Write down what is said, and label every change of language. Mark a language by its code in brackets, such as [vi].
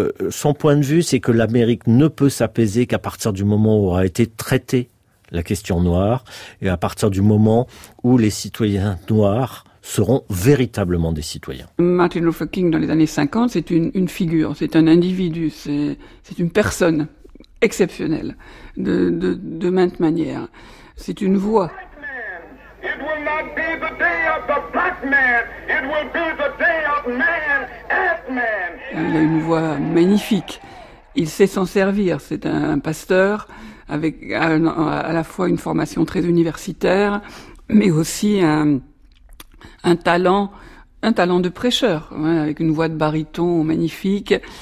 [fr] Son point de vue, c'est que l'Amérique ne peut s'apaiser qu'à partir du moment où aura été traitée la question noire, et à partir du moment où les citoyens noirs seront véritablement des citoyens. Martin Luther King, dans les années 50, c'est une figure, c'est un individu, c'est une personne exceptionnelle, de maintes manières. C'est une voix. [en] It will not be the day of the black man, it will be the day of man as man. [fr] Il a une voix magnifique, il sait s'en servir, c'est un pasteur avec à la fois une formation très universitaire, mais aussi un talent de prêcheur, hein, avec une voix de baryton magnifique.